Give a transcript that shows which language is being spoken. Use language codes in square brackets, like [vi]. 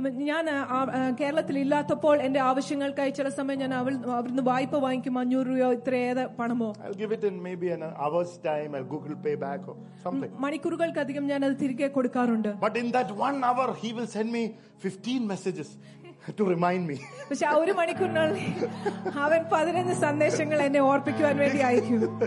[ml] ഞാൻ കേരളത്തിൽ ഇല്ലാത്തപ്പോൾ എന്റെ ആവശ്യങ്ങൾക്കായി ചില സമയം ഞാൻ അവിടുന്ന് വായ്പ വാങ്ങിക്കും. 500 രൂപയോ ഇത്രയേറെ പണമോ. [en] I'll give it in maybe an hour's time. I'll Google Pay back or something. [ml] മണിക്കൂറുകൾക്കധികം ഞാൻ അത് തിരികെ കൊടുക്കാറുണ്ട്. [en] But in that 1 hour, he will send me 15 messages to remind me. [ml] പക്ഷേ ആ ഒരു മണിക്കൂറിനുള്ളിൽ അവൻ 15 സന്ദേശങ്ങൾ എന്നെ ഓർപ്പിക്കുവാൻ വേണ്ടി അയക്കും.